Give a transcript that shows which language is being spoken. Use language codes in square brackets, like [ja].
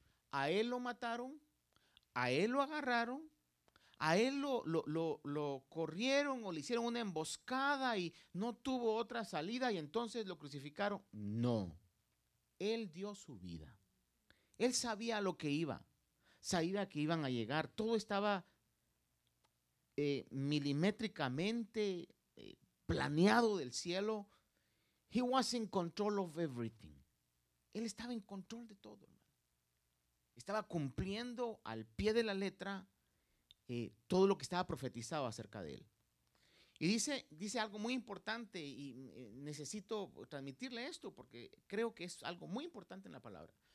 [es] A él lo mataron, a él lo agarraron, a él lo corrieron o le hicieron una emboscada y no tuvo otra salida y entonces lo crucificaron. No, él dio su vida. Él sabía lo que iba, sabía que iban a llegar. Todo estaba milimétricamente planeado del cielo. [en] He was in control of everything. [es] Él estaba en control de todo, hermano. Estaba cumpliendo al pie de la letra todo lo que estaba profetizado acerca de él. Y dice algo muy importante y necesito transmitirle esto porque creo que es algo muy importante en la palabra.